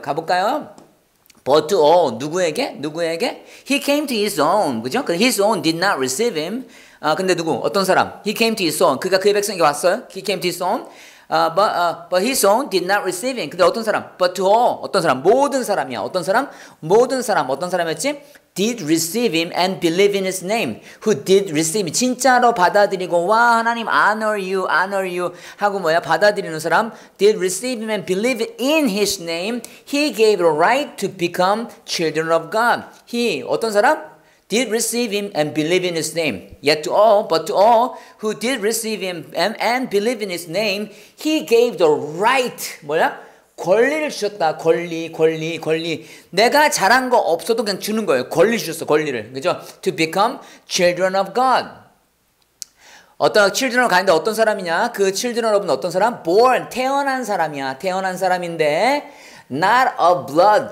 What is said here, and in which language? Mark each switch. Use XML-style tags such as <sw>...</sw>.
<ko>가볼까요?</ko> <en>But to all,</en> <ko>누구에게? 누구에게?</ko> <en>He came to his own,</en> <ko>그죠?</ko> <en>His own did not receive him.</en> <ko>아, 근데 누구? 어떤 사람?</ko> <en>He came to his own.</en> <ko>그가 그의 백성에게 왔어요?</ko> <en>He came to his own. But his own did not receive him.</en> <ko>근데 어떤 사람?</ko> <en>But to all,</en> <ko>어떤 사람? 모든 사람이야. 어떤 사람? 모든 사람, 어떤 사람이었지?</ko> <en>Did receive him and believe in his name. Who did receive him?</en> <ko>진짜로 받아들이고 와 하나님</ko> <en>honor you, honor you</en> <ko>하고 뭐야 받아들이는 사람.</ko> <en>Did receive him and believe in his name. He gave a right to become children of God. He</en> <ko>어떤 사람?</ko> <en>Did receive him and believe in his name. Yet to all, but to all who did receive him and believe in his name, he gave the right.</en> <ko>뭐야? 권리를 주셨다. 권리, 권리, 권리. 내가 잘한 거 없어도 그냥 주는 거예요. 권리 주셨어. 권리를. 그죠?</ko> <en>To become children of God.</en> <ko>어떤</ko> <en>children of God</en> <ko>인데 어떤 사람이냐? 그 children of God은 어떤 사람? Born. 태어난 사람이야. 태어난 사람인데</ko> <en>not of blood.</en>